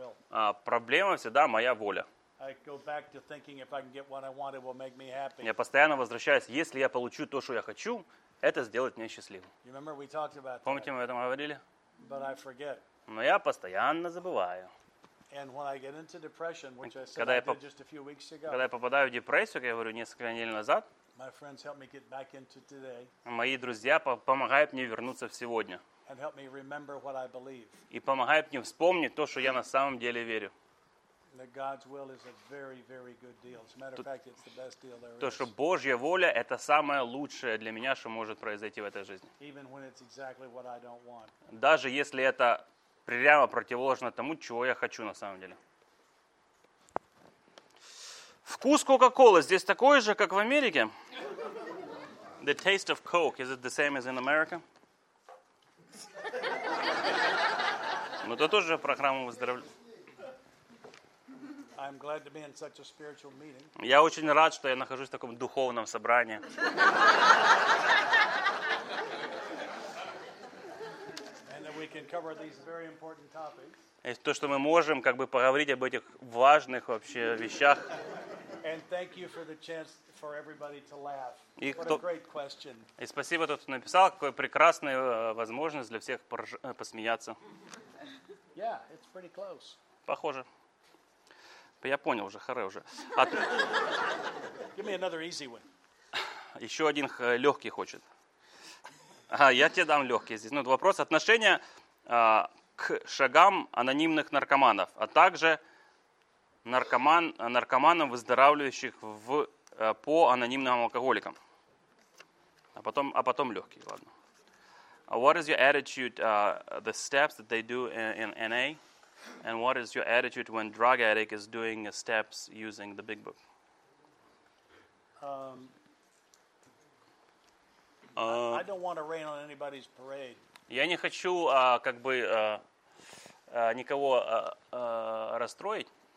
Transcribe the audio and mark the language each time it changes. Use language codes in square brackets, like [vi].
[ru] А проблема всегда моя воля. [en] I go back to thinking if I can get what I want, it will make me happy. [ru] Я постоянно возвращаюсь, если я получу то, что я хочу, это сделает меня счастливым. [en] You remember we talked about that? [ru] Помните, мы об этом говорили? [en] But I forget. [ru] Но я постоянно забываю. [en] And when I get into depression, which I said I did just a few weeks ago. [ru] Когда я попадаю в депрессию, как я говорю, несколько недель назад. [en] My friends help me get back into today. [ru] Мои друзья помогают мне вернуться в сегодня. [en] And help me remember what I believe. [ru] И помогают мне вспомнить то, что я на самом деле верю. [en] That God's will is a very, very good deal. As a matter of fact, it's the best deal there is. [ru] То, что Божья воля, это самое лучшее для меня, что может произойти в этой жизни. [en] Even when it's exactly what I don't want. [ru] Даже если это прямо противоположно тому, чего я хочу на самом деле. Вкус Кока-Колы здесь такой же, как в Америке? [en] The taste of Coke, is it the same as in America? [ru] Ну, это тоже программа выздоровления. [en] I'm glad to be in such a spiritual meeting. [ru] Я очень рад, что я нахожусь в таком духовном собрании. [en] And that we can cover these very important topics. [ru] И то, что мы можем как бы поговорить об этих важных вообще вещах. [en] And thank you for the chance for everybody to laugh. What a great question. [ru] И спасибо, тот, кто написал, какая прекрасная возможность для всех посмеяться. [en] Yeah, it's pretty close. [ru] Похоже. Я понял уже, харе уже. [en] Give me another easy one. [ru] Еще один легкий хочет. Я тебе дам легкий здесь. Ну, вопрос. Отношение к шагам анонимных наркоманов, а также наркоманам, выздоравливающих по анонимным алкоголикам. А потом легкий, ладно. [en] What is your attitude, the steps that they do in NA? And what is your attitude when drug addict is doing steps using the big book? I don't want to rain on anybody's parade. [ru] Я не хочу как бы никого расстроить.